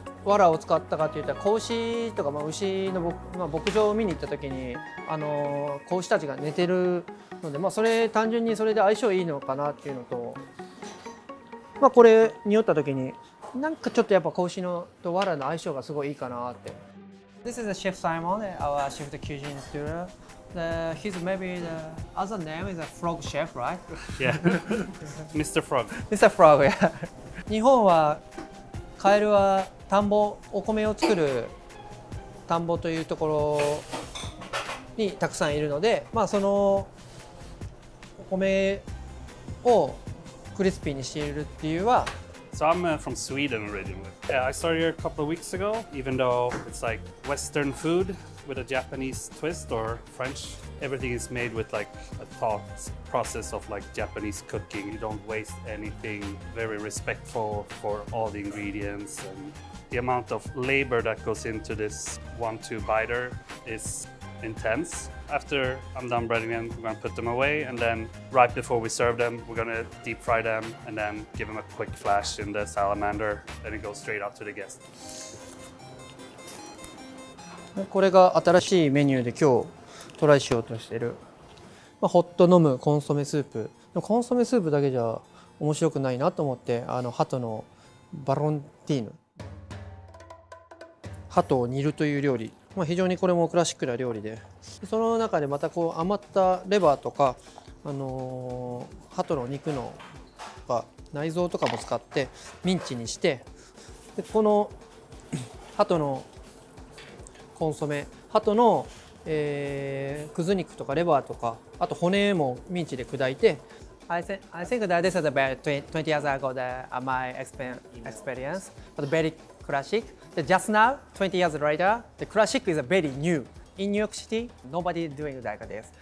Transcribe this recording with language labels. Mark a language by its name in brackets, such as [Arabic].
[Japanese] 藁を使ったかといったら子牛とか、まあ、牛の、まあ、牧場を見に行った時に子牛たちが寝てるので、まあ、それ単純にそれで相性いいのかなっていうのと、まあ、これ匂った時になんかちょっとやっぱ子牛のと藁の相性がすごいいいかなって。 [English] This is Chef Simon, our Chef de Cuisine Studio. He's maybe the other name is a Frog Chef, right? Yeah, Mr. Frog. Mr. Frog, yeah. [Japanese] 日本はカエルは田んぼ、お米を作る田んぼというところにたくさんいるので、まあ、そのお米をクリスピーにしているっていうは。 [English] So I'm from Sweden originally. Yeah, I started here a couple of weeks ago, even though it's like Western food with a Japanese twist or French. Everything is made with like a thought process of like Japanese cooking. You don't waste anything, very respectful for all the ingredients. And the amount of labor that goes into this 1-2 biter is intense. After I'm done breading them, we're gonna put them away, and then right before we serve them, we're gonna deep fry them and then give them a quick flash in the salamander, then it goes straight out to the guest. [Japanese] これが新しいメニューで今日トライしようとしている、まあ、ホット飲むコンソメスープ。コンソメスープだけじゃ面白くないなと思って、あの鳩のバロンティーヌ、鳩を煮るという料理、まあ、非常にこれもクラシックな料理で、その中でまたこう余ったレバーとか、鳩の肉の内臓とかも使ってミンチにして、でこの鳩のコンソメ、鳩の、くず肉とかレバーとか、あと骨もミンチで砕いて。 [English] I think that this is about 20 years ago the, my experience, but very classic. Just now, 20 years later, the classic is very new. In New York City, nobody doing like this.